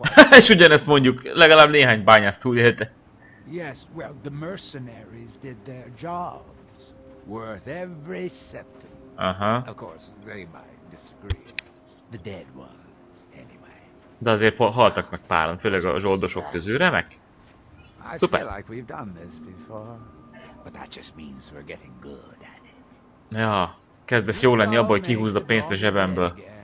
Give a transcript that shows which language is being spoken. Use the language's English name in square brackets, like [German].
[Hungarian] És ugyanezt mondjuk, legalább néhány bányász túlélte. [English] Yes, well, the mercenaries did their job. Worth every septum. Uh-huh. Of course, they might disagree. The dead ones, anyway. [Hungarian] De azért haltak meg páran, főleg a zsoldosok közül, remek? Szuper. [English] I feel like we've done this before. But that just means we're getting good at it. [Hungarian] Ja, kezdesz jó lenni abban, hogy kihúzd a pénzt a zsebemből.